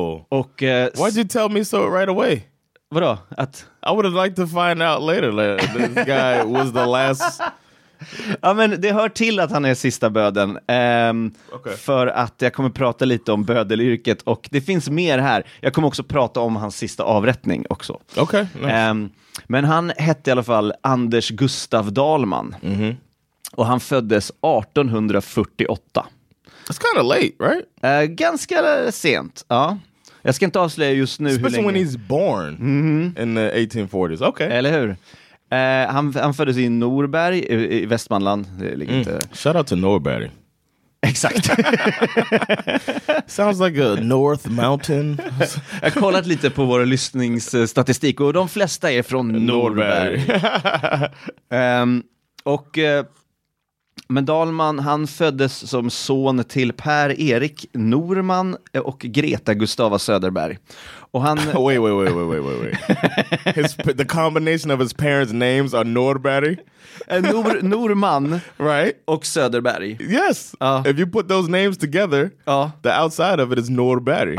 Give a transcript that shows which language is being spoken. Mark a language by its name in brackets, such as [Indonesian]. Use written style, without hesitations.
[English] Och why'd you tell me so right away? [Swedish] Vadå? Att [English] I would have liked to find out later that this guy was the last. [Swedish] Ja, men det hör till att han är sista böden. [English] Okay. [Swedish] För att jag kommer prata lite om bödelyrket och det finns mer här. Jag kommer också prata om hans sista avrättning också. [English] Okay, nice. [Swedish] Men han hette i alla fall Anders Gustav Dahlman. Mm-hmm. Och han föddes 1848. [English] That's kind of late, right? [Swedish] Ganska sent, ja. Jag ska inte avslöja just nu. [English] Especially [Swedish] hur länge. [English] When he's born in the 1840s. Okay. [Swedish] Eller hur? Han föddes i Norberg i Västmanland. [English] Shout out to Norberg. [Swedish] Exakt. [English] Sounds like a North Mountain. [Swedish] Jag har kollat lite på våra lyssningsstatistik och de flesta är från Norberg. Men Dahlman, han föddes som son till Per Erik Norman och Greta Gustava Söderberg. Och han [English] wait. The combination of his parents' names are Norberg. [Swedish] Norman, [English] right? [Swedish] Och Söderberg. [English] Yes. If you put those names together, the outside of it is Norberg.